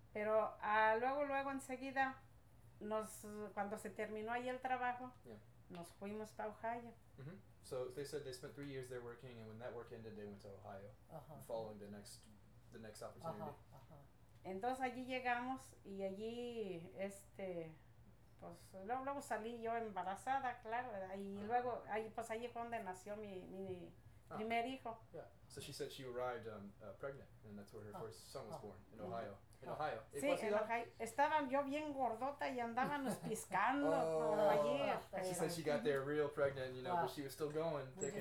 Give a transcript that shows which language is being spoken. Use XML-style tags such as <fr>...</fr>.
<es>Pero luego enseguida, cuando se terminó ahí el trabajo, yeah. nos fuimos para Ohio. Mm-hmm.</es> <en>So they said they spent 3 years there working, and when that work ended, they went to Ohio, uh-huh. following the next opportunity. Uh-huh. Uh-huh.</en> <es>Entonces allí llegamos, y allí, pues luego salí yo embarazada, claro, y uh-huh. luego, pues allí fue donde nació mi uh-huh. primer hijo. Yeah.</es> <en>So she said she arrived pregnant, and that's where her uh-huh. first son was uh-huh. born, in Ohio. Uh-huh. Ohio.</en> <es>Sí, en Ohio. Estaba yo bien gordota y andábamos piscando. Oh, allí.</es> <en>She said she got there real pregnant, you know, but she was still going, taking,</en>